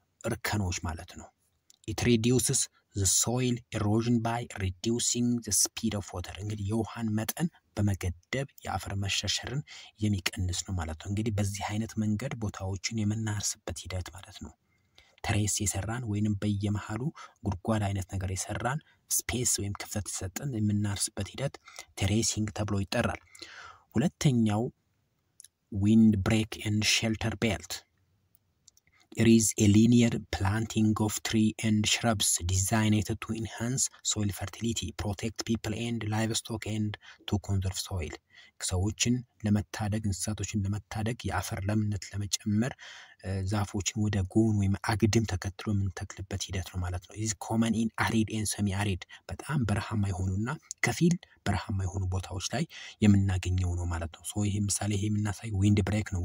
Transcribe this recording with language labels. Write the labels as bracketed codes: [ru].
[am] እርከኖች ማለት ነው [en] it reduces the soil erosion by reducing the speed of water [am] እንግዲህ ዮሐን መጥን በመገደብ ያፈር መሸሸርን የሚቀንስ ነው ማለት ነው እንግዲህ በዚህ አይነት መንገድ ቦታዎችን የምናርስበት ሂደት ማለት ነው ትሬስ ይሰራን ወይንም በየመሃሉ ጉድጓድ አይነት ነገር ይሰራን ስፔስ ወይም ክፍተት ይሰጠን የምናርስበት ሂደት ትሬሲንግ ተብሎ ይጠራል ሁለተኛው [en] ዊንድ ብሬክ ኤንድ ሼልተር ቤልት There is a linear planting of tree and shrubs designed to enhance soil fertility, protect people and livestock and to conserve soil. [am] ሰዎችን ለመታደግ እንስሳቶችን ለመታደግ የአፈር ለምነት ለመጨመር ዛፎችን ወደ ጎን ወይም አግድም ተከትሎ የምንተክልበት ሂደት ነው ማለት ነው. [en] It is common in arid and semi-arid. [am] በጣም በረሃማ የሆኑና ከፊል በረሃማ የሆኑ ቦታዎች ላይ የምናገኘው ነው ማለት ነው. So ይሄ ምሳሌ ይሄ የምናሳይ wind break ነው.